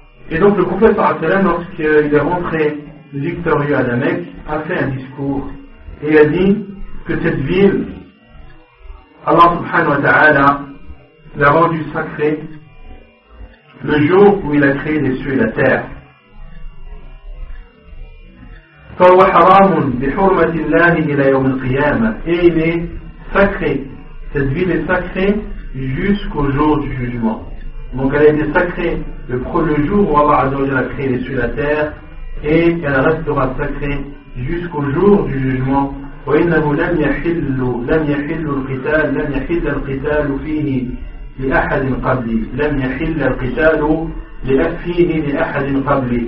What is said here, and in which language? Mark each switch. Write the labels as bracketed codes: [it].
[fr] Et donc le prophète sallallahu alayhi wa sallam, lorsqu'il est rentré victorieux à la Mecque, a fait un discours et a dit que cette ville, Allah subhanahu wa ta'ala l'a rendue sacrée le jour où il a créé les cieux et la terre. [ar] فهو حرام بحرمة الله إلى يوم القيامة. [fr] Et il est sacré. Cette ville est sacrée jusqu'au jour du jugement. Donc elle a été sacrée le jour où Allah Azza wa Jalla a créé les cieux et la terre, et elle restera sacrée jusqu'au jour du jugement. [ar] وَإِنَّهُ لَمْ يَحِلُّ الْقِتَالُ لَمْ يَحِلَّ الْقِتَالُ فِيهِ لِأَحَدٍ قَبْلِي لَمْ يَحِلَّ الْقِتَالُ فِيهِ لِأَحَدٍ قَبْلِي.